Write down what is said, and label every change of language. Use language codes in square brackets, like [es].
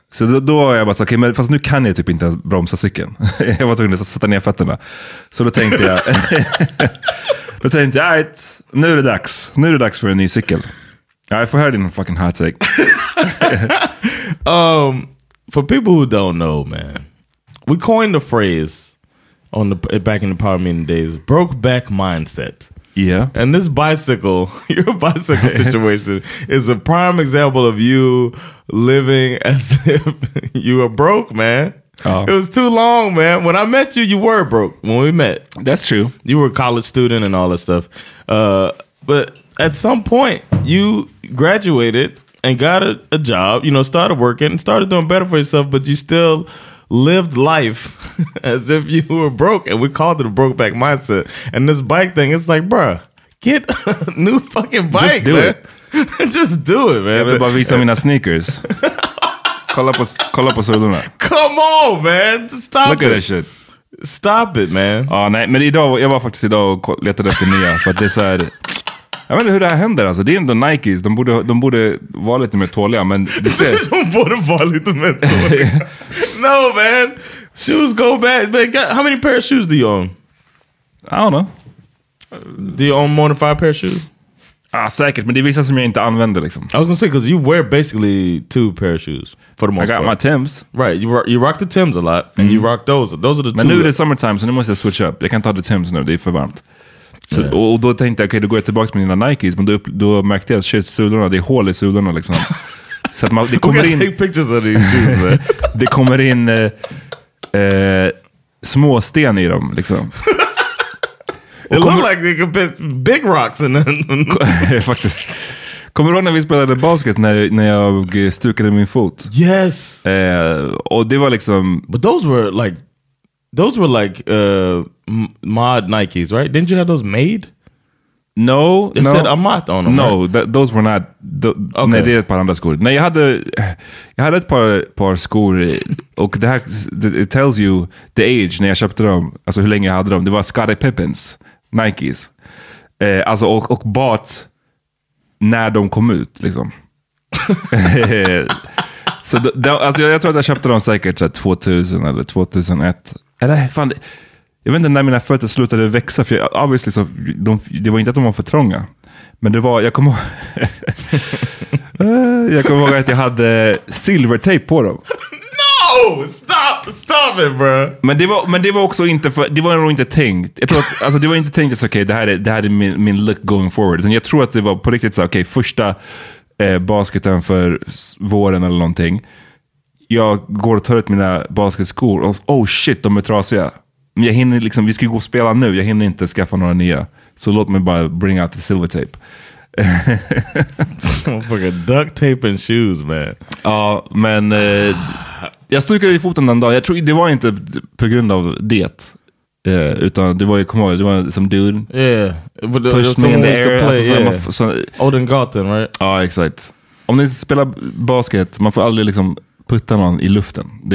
[sv] Så då var jag bara så, okay, men fast nu kan jag typ inte ens bromsa cykeln. Jag var tvungen att sätta ner fötterna. Så då tänkte jag all right, nu är det dags. Nu är det dags för en ny cykel. Jag får höra din [en] fucking hot take. For people who don't know, man, we coined a phrase on the back in the Power Meeting days, broke back mindset. Yeah. And this bicycle, your bicycle situation, is a prime example of you living as if you are broke, man. Oh. It was too long, man. When I met you, you were broke when we met. That's true. You were a college student and all that stuff. But at some point, you graduated and got a job, you know, started working, started doing better for yourself, but you still lived life as if you were broke. And we called it a broke back mindset. And this bike thing, it's like, bruh, get a new fucking bike, man. Just do it, man. [sv] Jag vill bara visa mina sneakers. Kolla på solen. [en] Come on, man. Stop Look Look at that shit. Stop it, man. [sv] Ah, nej, men jag var faktiskt idag och letade efter nya. För att det är så här, jag vet inte hur det här händer. Alltså. Det är ändå Nikes. De borde vara lite mer tåliga. Men det ser... De borde vara lite mer tåliga. [en] No, man. Shoes go bad. But how many pair of shoes do you own? I don't know. Do you own more than 5 pair of shoes? [sv] Ah, säkert, men det är vissa som jag inte använder liksom. [en] I was gonna say, because you wear basically 2 pair of shoes for the most part. I got my Timbs. Right, you rock the Timbs a lot, and you rock those. Those are the [sv] men [en] two. [sv] Men nu är det summertime, så nu måste jag [en] switch up. [sv] Jag kan ta the Timbs nu, det är för varmt. Så, yeah. Och då tänkte jag, okej, då går jag tillbaka med mina Nikes, men då märkte jag att sulorna, det är hål i sulorna liksom. Så att man, det kommer in... [en] take pictures of these shoes, man. [sv] Det kommer in småsten i dem liksom. [en] It looked like they could put big rocks in them. [sv] Faktiskt. Kommer du ihåg när vi spelade basket när jag stukade min fot? [en] Yes. [sv] Och det var liksom... [en] But those were like mod Nikes, right? Didn't you have those made? No. It no. said Amat on them. No, right? Those were not... [sv] Okay. Nej, det är ett par andra skor. Nej, jag hade ett par skor och det här... [en] It tells you the age [sv] när jag köpte dem. Alltså hur länge jag hade dem. Det var Scottie Pippins. Nikes. Alltså och bat när de kom ut liksom. Så jag tror att jag köpte dem säkert så 2000 eller 2001. Eller fan, jag vet inte när mina fötter slutade växa, för obviously så det var inte att de var för trånga. Men det var, jag kommer ihåg att jag hade silver tape på dem. [en] Oh, stop it, bro. [sv] Men det var också inte för det var nog inte tänkt. Jag tror att, alltså det var inte tänkt att okay, det här är min look [en] going forward. [sv] Men jag tror att det var på riktigt så okej, okay, första basketen för våren eller någonting. Jag går och tar ut mina basketskor och [en] oh shit, [sv] de är trasiga. Men jag hinner liksom, vi ska gå och spela nu. Jag hinner inte skaffa några nya. Så låt mig bara [en] bring out the silver tape. Fucking duct tape and shoes, man. [sv] Ja, men jag stukade i foten den dagen. Jag tror det var inte på grund av det. Utan det var ju, kom ihåg, det var som dude. [en] Yeah. But pushed me in the air. [sv] Alltså, [en] yeah. Odin Gotten, right? [sv] Ja, exakt. Om ni spelar basket, man får aldrig liksom putta någon i luften.